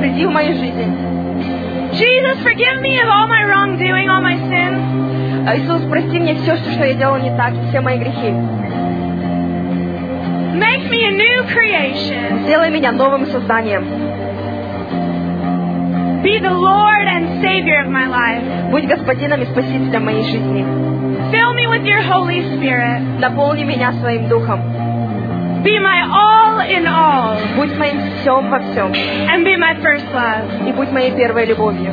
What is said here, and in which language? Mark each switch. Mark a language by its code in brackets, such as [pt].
[ru] Приди в мою жизнь. [en] Jesus, forgive me of all my wrongdoing, all my sins. [ru] Иисус, прости мне все, что я делал не так, и все мои грехи. [en] Make me a new creation. [ru] Сделай меня новым созданием. [en] Be the Lord and Savior of my life. [ru] Будь господином и спасителем моей жизни. [en] Fill me with your Holy Spirit. [ru] Наполни меня своим духом. [en] Be my all in all. [ru] Будь моим всем во всем. [en] And be my first love. [ru] И будь моей первой любовью.